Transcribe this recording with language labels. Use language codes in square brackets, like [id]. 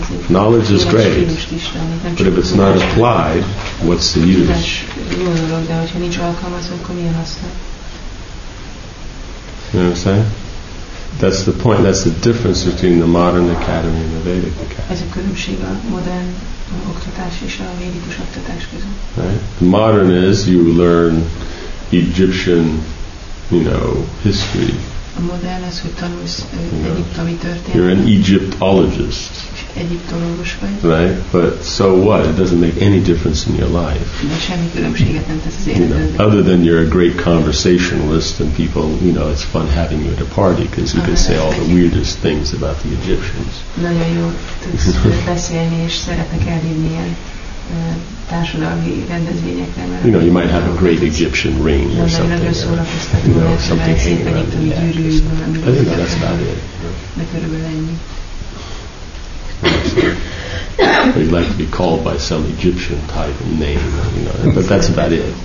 [en] Knowledge is great, but if it's not applied, what's the use? You know what I'm saying? That's the point. That's the difference between the modern academy and the Vedic academy. [hu] Ez a különbség a modern oktatás és a védikus oktatás között. [en] Right? Modern is you learn Egyptian. You know, history. [hu] A modern az, hogy tanulsz egyiptomi történetet. [en] You're an Egyptologist. [hu] Egyiptológus vagy. [en] Right? But so what? It doesn't make any difference in your life. [hu] De semmi különbséget nem tesz az életedben. [en] You know, other than you're a great conversationalist and people, you know, it's fun having you at a party because you can say all the weirdest things about the Egyptians. [hu] Nagyon jó tudsz beszélni és szeretnek elhívni ilyen. [en] You know, you might have a great Egyptian ring or something. You know, something hanging around the neck. I think that's about it. Or you'd like to be called by some Egyptian type of name, you know, but that's about it.